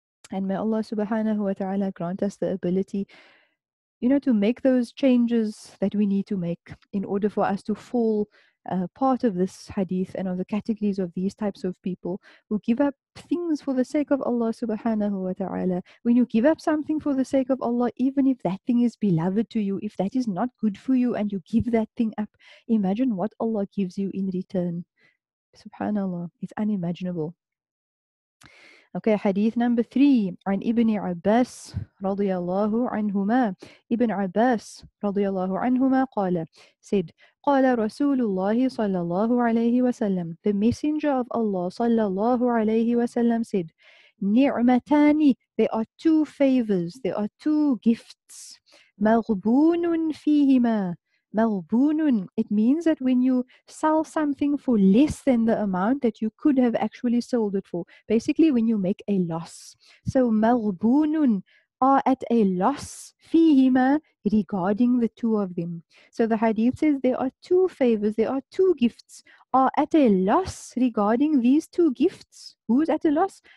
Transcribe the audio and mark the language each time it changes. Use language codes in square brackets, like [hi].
[en] And may Allah subhanahu wa ta'ala grant us the ability, you know, to make those changes that we need to make in order for us to fall part of this hadith and of the categories of these types of people who give up things for the sake of Allah subhanahu wa ta'ala. When you give up something for the sake of Allah, even if that thing is beloved to you, if that is not good for you and you give that thing up, imagine what Allah gives you in return. Subhanallah, it's unimaginable. Okay, hadith number 3, [ar] عن ابن عباس رضي الله عنهما. ابن عباس رضي الله عنهما قال, [en] said, [ar] قال رسول الله صلى الله عليه وسلم, [en] the messenger of Allah [ar] صلى الله عليه وسلم said, نعمتان, [en] there are two favors, there are two gifts, [ar] مغبون فيهما. [en] Malbunun, it means that when you sell something for less than the amount that you could have actually sold it for, basically when you make a loss. So malbunun, are at a loss, fihima, regarding the two of them. So the hadith says there are two favors, there are two gifts, are at a loss regarding these two gifts. Who's at a loss?